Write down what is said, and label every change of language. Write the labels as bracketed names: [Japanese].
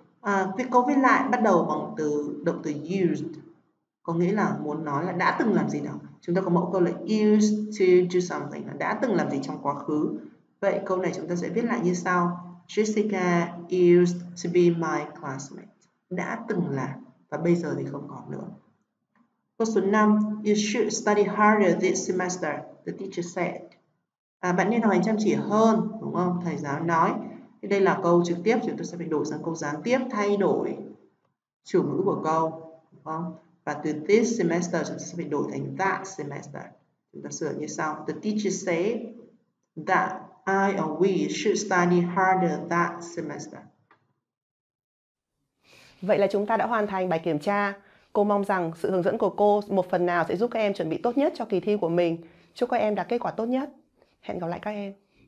[Vietnamese] À, việc câu viết lại bắt đầu bằng từ động từ used, có nghĩa là muốn nói là đã từng làm gì đó. Chúng ta có mẫu câu là used to do something, là đã từng làm gì trong quá khứ. Vậy câu này chúng ta sẽ viết lại như sau. [English] Jessica used to be my classmate. [Vietnamese] Đã từng là, và bây giờ thì không còn nữa. Câu số 5, [English] you should study harder this semester, the teacher said. [Vietnamese] À, bạn nên học hành chăm chỉ hơn, đúng không? Thầy giáo nói. Thì đây là câu trực tiếp, chúng tôi sẽ phải đổi sang câu gián tiếp, thay đổi chủ ngữ của câu, đúng không? Và từ this semester, chúng ta sẽ phải đổi thành that semester. Chúng ta sửa như sau. [English] The teacher said that I or we should study harder that semester. [Vietnamese] Vậy là chúng ta đã hoàn thành bài kiểm tra. Cô mong rằng sự hướng dẫn của cô một phần nào sẽ giúp các em chuẩn bị tốt nhất cho kỳ thi của mình. Chúc các em đạt kết quả tốt nhất. Hẹn gặp lại các em.